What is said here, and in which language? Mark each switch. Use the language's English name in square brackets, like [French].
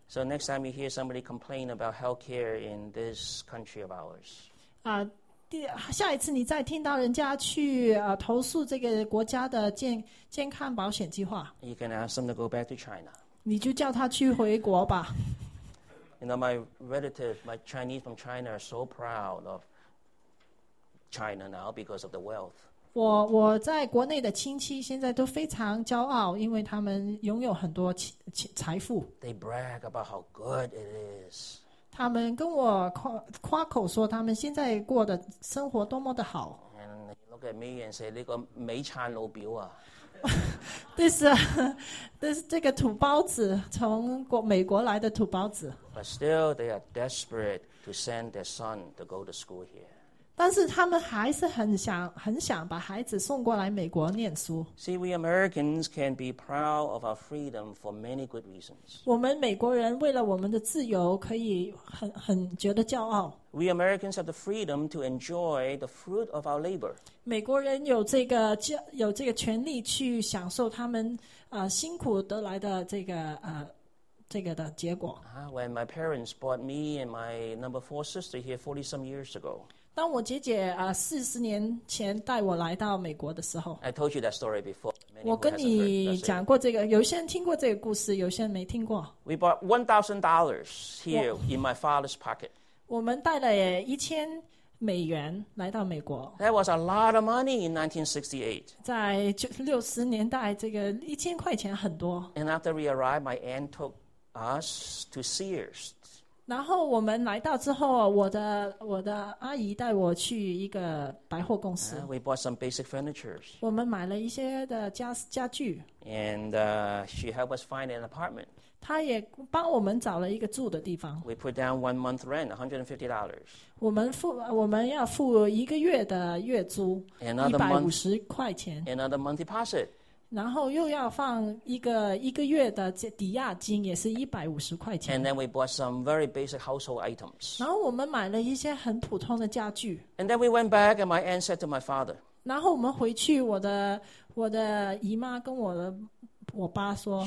[English] So next time you hear somebody complain about healthcare in this country of ours, [Chinese] 下一次你再听到人家去投诉这个国家的健康保险计划， [English] you can ask them to go back to China. [Chinese] 你就叫他去回国吧。 [English] You know, my relatives, my Chinese from China are so proud of China now because of the wealth. [Chinese] 我在国内的亲戚现在都非常骄傲，因为他们拥有很多财富。 [English] They brag about how good it is. [Chinese] 他们跟我夸口说他们现在过的生活多么的好。 [English] And they look at me and say, [Chinese] 这个煤炭老表啊。 This 这个土包子，从美国来的土包子。 [English] But still, they are desperate to send their son to go to school here. [Chinese] 但是他们还是很想把孩子送过来美国念书。 [English] See, we Americans can be proud of our freedom for many good reasons. [Chinese] 我们美国人为了我们的自由可以很觉得骄傲。 [English] We Americans have the freedom to enjoy the fruit of our labor. [Chinese] 美国人有这个权利去享受他们辛苦得来的这个的结果。 [English] When my parents brought me and my number four sister here 40 some years ago, [Chinese] 当我姐姐40年前带我来到美国的时候 [English] ，I told you that story before。 [Chinese] 我跟你讲过这个，有些人听过这个故事，有些人没听过。 [English] We bought $1,000 here in my father's pocket。 [Chinese] 我们带了1000美元来到美国。 [English] That was a lot of money in 1968。 [Chinese] 在60年代，这个1000块钱很多。 [English] And after we arrived, my aunt took us to Sears。 [Chinese] 然后我们来到之后，我的阿姨带我去一个百货公司。 [English] We bought some basic furniture. [Chinese] 我们买了一些的家具。 [English] And she helped us find an apartment. [Chinese] 她也帮我们找了一个住的地方。 [English] We put down 1 month rent, $150. [Chinese] 我们要付一个月的月租，150块钱。 [English] Another month deposit. [Chinese] 然后又要放一个月的抵押金，也是150块钱。 [English] And then we bought some very basic household items. [Chinese] 然后我们买了一些很普通的家具。 [English] And then we went back, and my aunt said to my father. [Chinese] 然后我们回去，我的姨妈跟我爸说。